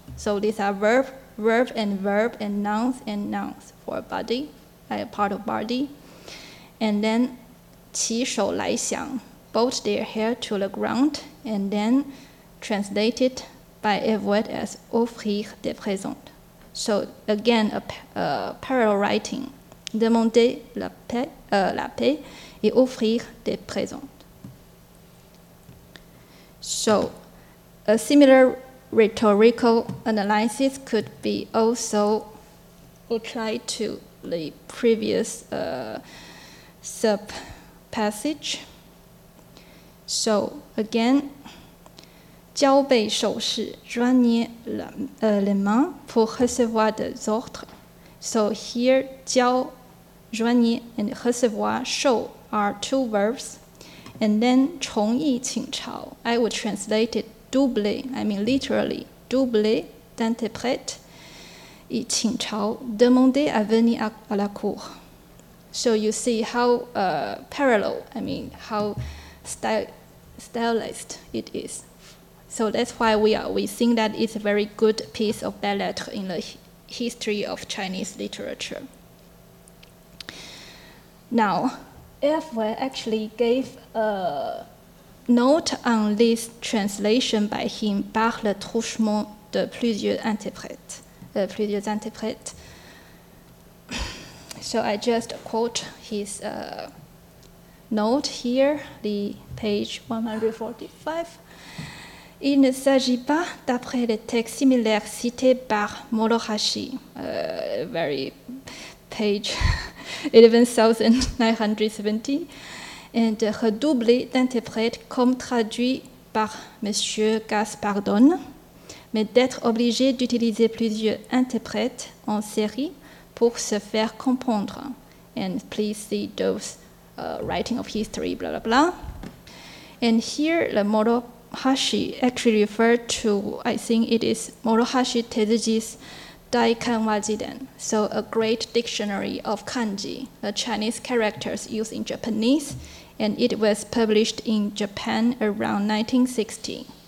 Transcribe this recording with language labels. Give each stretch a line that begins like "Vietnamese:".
English: So these are verb and verb, and nouns for body, like a part of body. And then,
Chinese: qi shou lai xiang,
English: bowed their head to the ground, and then translated by a word as
French: offrir des présents.
English: So again, a parallel writing,
French: demander la paix et offrir des présents.
English: So a similar rhetorical analysis could be also applied to the previous sub passage. So again,
Chinese: Jiao Bei Shou Shi,
French: joignit les mains pour recevoir des ordres.
English: So here, Jiao, joignit, and recevoir, Shou are two verbs, And then
Chinese: 从艺请朝,
English: I would translate it doubly, I mean literally, doubly
French: d'interprète,
Chinese: 以请朝,
French: demander à venir à la cour.
English: So you see how parallel, I mean how stylized it is. So that's why we think that it's a very good piece of belles lettres in the history of Chinese literature. Now, Erfwe actually gave a note on this translation by him,
French: par le truchement de plusieurs interprètes.
English: So I just quote his note here, the page 145.
French: Il ne s'agit pas, d'après les textes similaires cités par Morohashi,
English: very page
French: 11,970, et redoublé d'interprète comme traduit par M. Gaspardon, mais d'être obligé d'utiliser plusieurs interprètes en série pour se faire comprendre.
English: And please see those writing of history, blah, blah, blah. And here, the Morohashi actually referred to, I think it is Morohashi Tezuji's Daikanwajiden, so a great dictionary of kanji, the Chinese characters used in Japanese, and it was published in Japan around 1960.